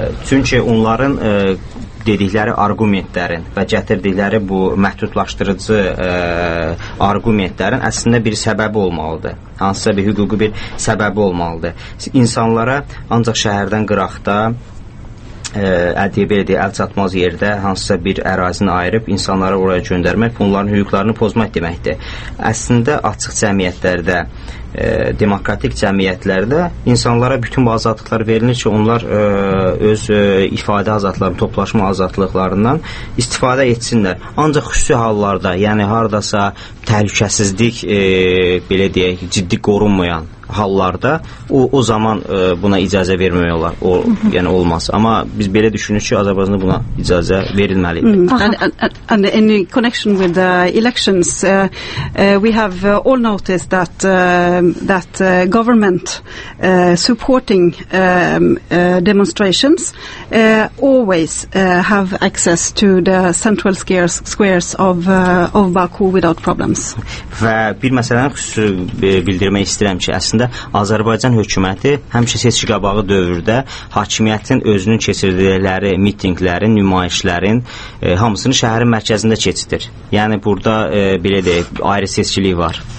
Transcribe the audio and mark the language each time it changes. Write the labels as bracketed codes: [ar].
[az] Çünki onların dedikləri argumentlərin və gətirdikləri bu məhdudlaşdırıcı argumentlərin əslində bir səbəbi olmalıdır. Hansısa bir hüquqi bir səbəbi olmalıdır. İnsanlara ancaq şəhərdən qıraqda, əlçatmaz yerdə hansısa bir ərazini ayırıb insanları oraya göndərmək, onların hüquqlarını pozmaq deməkdir. Əslində açıq cəmiyyətlərdə, demokratik cəmiyyətlərdə insanlara bütün bu azadlıqlar verilir ki, onlar öz ifadə azadlarını, toplaşma azadlıqlarından istifadə etsinlər. Ancaq xüsusi hallarda, yəni haradasa təhlükəsizlik ciddi qorunmayan hallarda o zaman buna icazə vermək olar. O yəni olmaz. Amma biz belə düşünürük ki, Azərbaycanda buna icazə verilməli idi. [en] And in connection with the elections, we have all noticed that government supporting demonstrations always have access to the central squares of Baku without problems. [az] Və bir məsələni xüsusi bildirmək istəyirəm ki, əslində Azərbaycan hökuməti həmişə seçki qabağı dövrdə hakimiyyətin özünün keçirdikləri mitinqlərin, nümayişlərin hamısını şəhərin mərkəzində keçirir. Yəni burada ayrı seçkilik var.